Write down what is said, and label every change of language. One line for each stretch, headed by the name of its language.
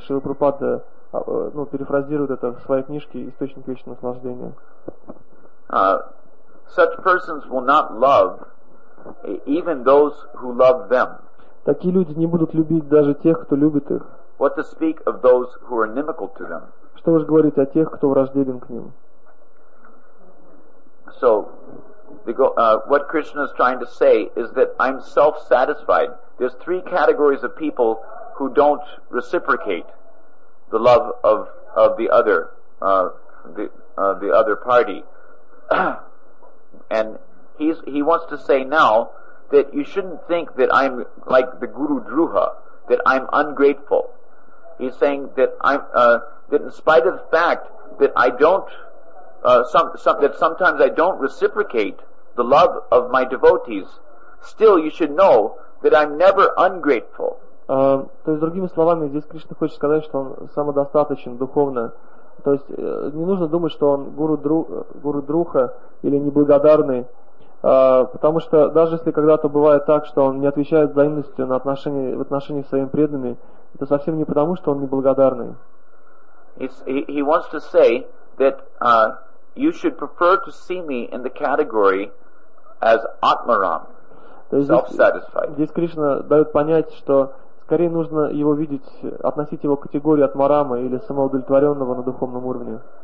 Russian: Шрила Прабхупада перефразирует это в своей книжке «Источник вечного наслаждения».
English: Such persons will not love even those who love them.
Russian: Такие люди не будут любить даже тех, кто любит их.
English: What to speak of those who are inimical to them?
Russian: Что уж говорить о тех, кто враждебен к ним?
English: So, what Krishna is trying to say is that I'm self-satisfied. There's three categories of people who don't reciprocate the love of the other, the other party. And he wants to say now that you shouldn't think that I'm like the Guru Druha, that I'm ungrateful. He's saying that I'm that in spite of the fact that I don't that sometimes I don't reciprocate the love of my devotees, still you should know that I'm never ungrateful.
Russian: То есть другими словами, здесь Кришна хочет сказать, что он самодостаточен духовно. То есть не нужно думать, что он гуру-друха или неблагодарный, потому что даже если когда-то бывает так, что он не отвечает взаимностью на отношения, в отношении с своими преданными, это совсем не потому, что он неблагодарный.
English: He wants to say that you should prefer to see me in the category as Atmaram, self-satisfied.
Russian: Здесь Кришна дает понять, что скорее нужно его видеть, относить его к категории атмарама или самоудовлетворенного на духовном уровне.